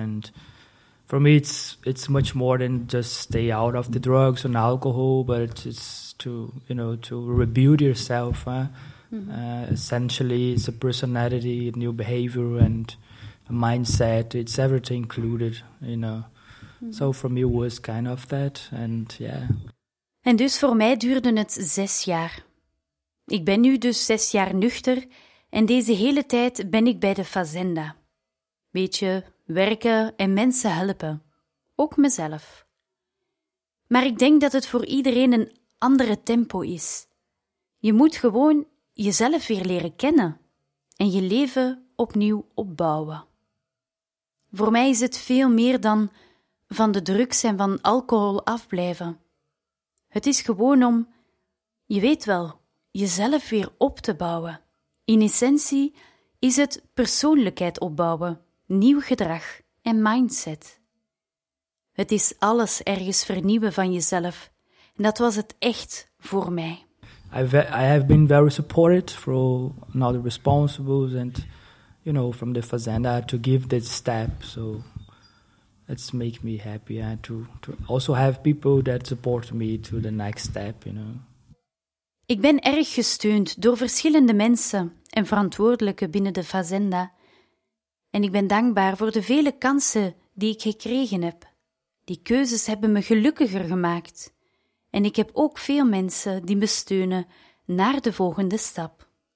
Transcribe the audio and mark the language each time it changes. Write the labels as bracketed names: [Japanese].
[English] And for me, it's much more than just stay out of the drugs and alcohol, but it's to, you know, to rebuild yourself. Essentially, it's a personality, a new behavior, and a mindset. It's everything included, you know. Mm-hmm. So for me, it was kind of that, and yeah. [Dutch] En dus voor mij duurde het 6 jaar. Ik ben nu dus 6 jaar nuchter en deze hele tijd ben ik bij de Fazenda. Beetje werken en mensen helpen. Ook mezelf. Maar ik denk dat het voor iedereen een andere tempo is. Je moet gewoon jezelf weer leren kennen en je leven opnieuw opbouwen. Voor mij is het veel meer dan van de drugs en van alcohol afblijven. Het is gewoon om, je weet wel, jezelf weer op te bouwen. In essentie is het persoonlijkheid opbouwen, nieuw gedrag en mindset. Het is alles ergens vernieuwen van jezelf. En dat was het echt voor mij. [English] I have been very supported from all the responsibles and, you know, from the Fazenda to give this step, so... It's make me happy to also have people that support me to the next step, you know. [Dutch] Ik ben erg gesteund door verschillende mensen en verantwoordelijken binnen de Fazenda. En ik ben dankbaar voor de vele kansen die ik gekregen heb. Die keuzes hebben me gelukkiger gemaakt. En ik heb ook veel mensen die me steunen naar de volgende stap.